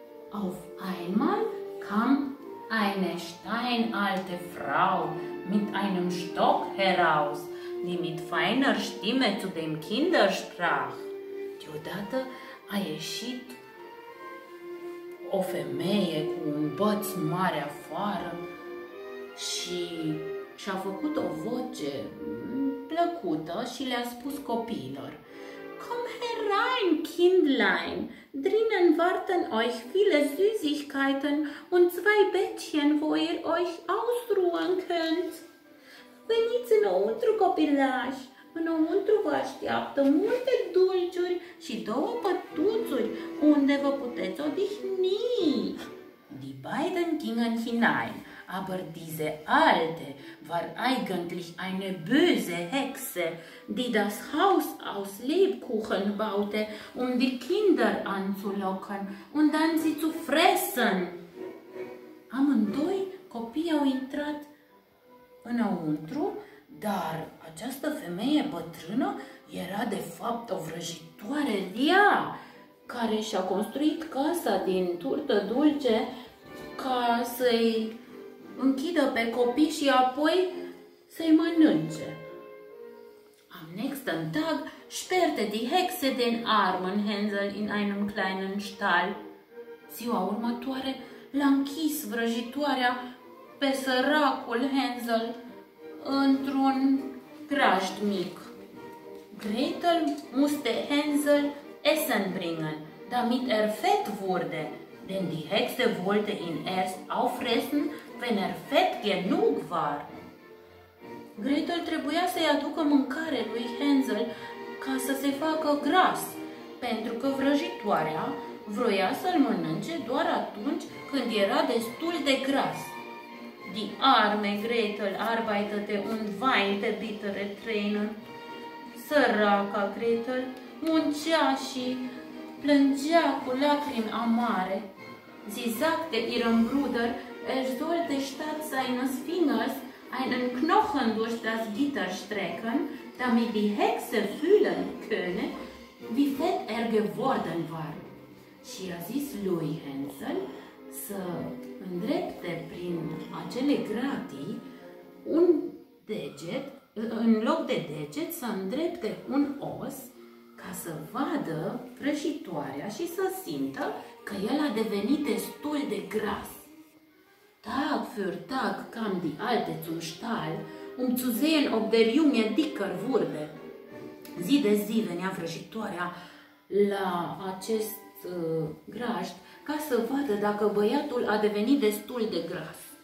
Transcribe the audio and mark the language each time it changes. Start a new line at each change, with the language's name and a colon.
German: Auf einmal kam eine steinalte Frau mit einem Stock heraus, die mit feiner Stimme zu dem Kinder sprach.
Romanian: Deodată a ieșit o femeie cu un băț mare afară și și-a făcut o voce plăcută și le-a spus copiilor:
German: Komm herein, Kindlein, drinnen warten euch viele Süßigkeiten und zwei Bettchen, wo ihr euch ausruhen könnt.
Romanian: Veniți înăuntru, copilași! Înăuntru vă așteaptă multe dulciuri și două pătuțuri unde vă puteți odihni.
German: Die beiden gingen hinein, aber diese alte war eigentlich eine böse Hexe, die das Haus aus Lebkuchen baute, um die Kinder anzulocken und dann sie zu fressen.
Romanian: Amândoi copiii au intrat înăuntru, dar această femeie bătrână era de fapt o vrăjitoare rea care și-a construit casa din turtă dulce ca să-i închidă pe copii și apoi să-i mănânce.
German: Am nächsten Tag sperrte die Hexe den armen Hänsel in einem kleinen Stall.
Romanian: Ziua următoare l-a închis vrăjitoarea pe săracul Hänsel într-un grajd mic.
German: Gretel musste Hänsel Essen bringen, damit fett wurde, denn die Hexe wollte ihn erst auffressen, wenn fett genug war.
Romanian: Gretel trebuia să-i aducă mâncare lui Hänsel ca să se facă gras, pentru că vrăjitoarea vroia să-l mănânce doar atunci când era destul de gras.
German: Die arme Gretel arbeitete und weinte bittere Tränen.
Romanian: Săraca Gretel muncea și plângea cu lacrimi amare.
German: Sie sagte ihrem Bruder, sollte statt seines Fingers einen Knochen durch das Gitter strecken, damit die Hexe fühlen könne, wie fett geworden war.
Romanian: Și a zis lui Hänsel să îndrepte prin acele gratii un deget, în loc de deget să îndrepte un os ca să vadă vrăjitoarea și să simtă că el a devenit destul de gras.
German: Tag für Tag kam die Alte zum Stall, zu sehen, ob der Junge dicker wurde.
Romanian: Zi de zi venea vrăjitoarea la acest grajd ca să vadă dacă băiatul a devenit destul de gras.